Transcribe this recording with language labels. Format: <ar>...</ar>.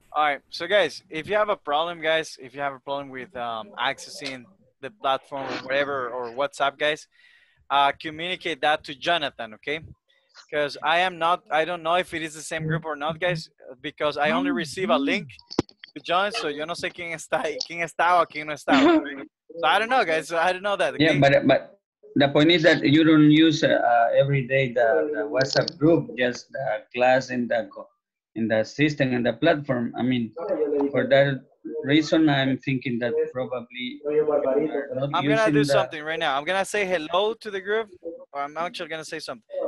<en>All right, so guys, if you have a problem, guys, if you have a problem with accessing the platform or whatever or WhatsApp, guys, communicate that to Jonathan, okay? Because I don't know if it is the same group or not, guys, because I only receive a link.</en> <es>John, so yo no sé quién está o quién no está.</es> <en>So I don't know, guys. So I don't know that. Okay? Yeah, but the point is that you don't use every day the WhatsApp group, just the class in the system and the platform. I mean, for that reason, I'm thinking that probably. I'm gonna do something right now. I'm gonna say hello to the group, or I'm actually gonna say something.</en>